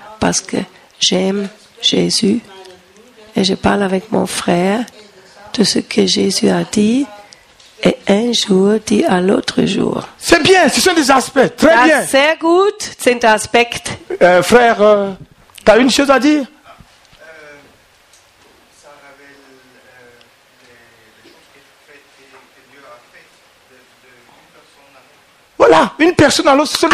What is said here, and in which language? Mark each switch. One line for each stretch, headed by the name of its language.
French: parce que j'aime Jésus et je parle avec mon frère de ce que Jésus a dit et un jour dit à l'autre jour. C'est bien, ce sont des aspects, très bien.
German: Das sehr gut sind Aspekte.
French: Frère, tu as une chose à dire? Voilà, une personne à l'autre, c'est le